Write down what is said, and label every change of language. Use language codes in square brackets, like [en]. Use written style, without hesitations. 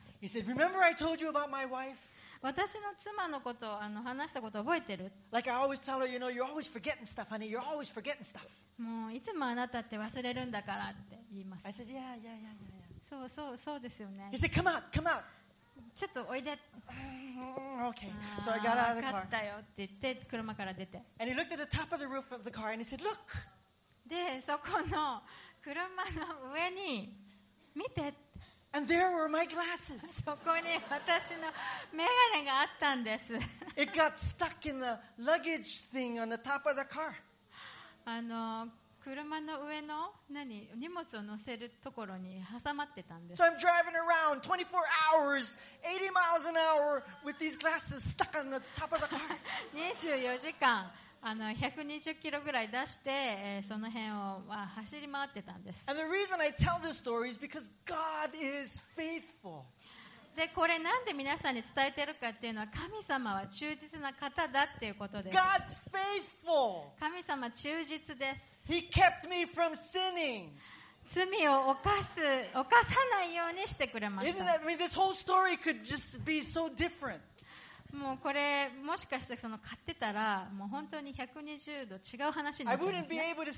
[en] He said, "Remember, I told you about my wife." [ja] 私の妻のことを話したこと覚えてる。 [en] Like I always tell her, you know, you're always forgetting stuff, honey. You're always forgetting stuff. [ja] もういつもあなたって忘れるんだからって言います。 [en] I said, "Yeah, yeah, yeah, yeah, yeah." [ja] そうですよね。 [en] He said, "Come out, come out." [ja] ちょっとおいで。 [en] Okay. So I got out of the car. [ja] 分かったよって言って車から出て。 [en] And he looked at the top of the roof of the car and he said, "Look." [ja] で、そこの車の上に見て。 [en] And there were my glasses. [ja] そこに私のメガネがあったんです。 [en] It got stuck in the luggage thing on the top of the car. [ja] あの車の上の何荷物を乗せるところに挟まってたんです。 [en] So I'm driving around 24 hours, 80 miles an hour with these glasses stuck on the top of the car. [ja] 24時間あの120キロぐらい出して、その辺を、走り回ってたんです。 [en] And the reason I tell this story is because God is faithful. [ja] でこれなんで皆さんに伝えてるかっていうのは神様は忠実な方だっていうことです。 [en] God's faithful. [ja] 神様忠実です。 [en] He kept me from sinning. [ja] 罪を犯さないようにしてくれました。 [en] Isn't that, I mean, this whole story could just be so different. [ja] もうこれもしかしてその買ってたらもう本当に120度違う話になっちゃうんですね。